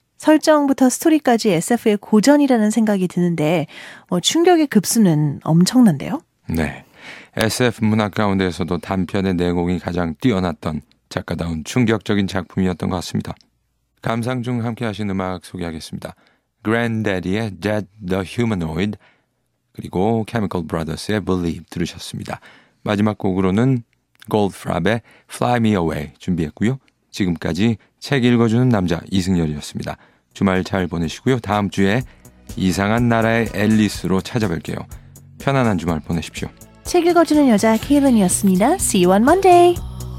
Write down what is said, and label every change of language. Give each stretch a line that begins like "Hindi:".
Korean: 설정부터 스토리까지 SF의 고전이라는 생각이 드는데 뭐 충격의 급수는 엄청난데요? 네. SF 문학 가운데에서도 단편의 내공이 가장 뛰어났던 작가다운 충격적인 작품이었던 것 같습니다. 감상 중 함께하신 음악 소개하겠습니다. Granddaddy의 Dead the Humanoid 그리고 Chemical Brothers의 Believe 들으셨습니다. 마지막 곡으로는 Goldfrapp의 Fly Me Away 준비했고요. 지금까지 책 읽어주는 남자 이승열이었습니다. 주말 잘 보내시고요. 다음 주에 이상한 나라의 앨리스로 찾아뵐게요. 편안한 주말 보내십시오. 책 읽어주는 여자 케일린이었습니다.
English: See you on Monday!